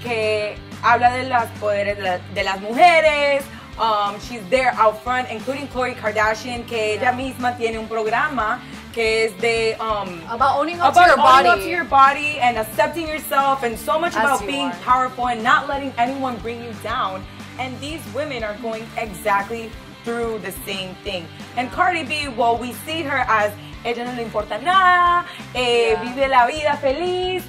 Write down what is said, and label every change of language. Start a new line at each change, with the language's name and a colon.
Spanish: Que habla de las poderes de las mujeres.
English: She's there out front, including Khloe Kardashian, que yeah.
Spanish: Ella misma tiene un programa que es de
English: about owning up to your body and accepting yourself, and so much about being powerful and not letting anyone bring you down. And these women are going exactly through the same thing. And Cardi B, well, we see her as
Spanish: ella no le importa nada, vive la vida feliz,